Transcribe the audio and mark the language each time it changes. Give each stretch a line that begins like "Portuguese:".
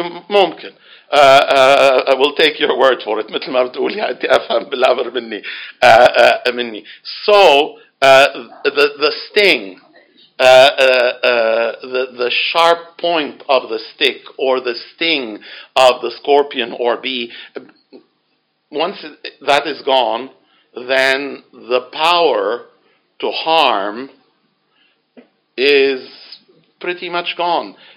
Arabic: ممكن
English: I will take your word for it.
Arabic: مثل ما بتقولي أنت أفهم بالعبر مني مني.
English: So the sting, the sharp point of the stick or the sting of the scorpion or bee, once that is gone, then the power to harm is pretty much gone.